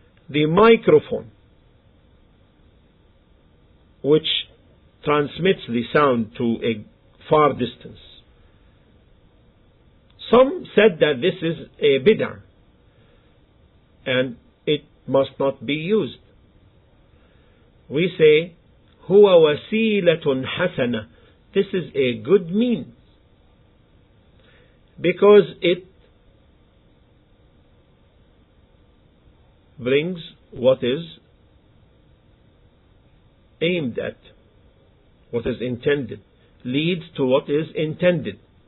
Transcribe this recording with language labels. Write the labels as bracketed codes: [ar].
[en] The microphone, which transmits the sound to a far distance. Some said that this is a bid'ah, and it must not be used. [ar] We say, هُوَ وَسِيلَةٌ حَسَنَةٌ. [en] This is a good means, because it brings what is aimed at, what is intended, leads to what is intended.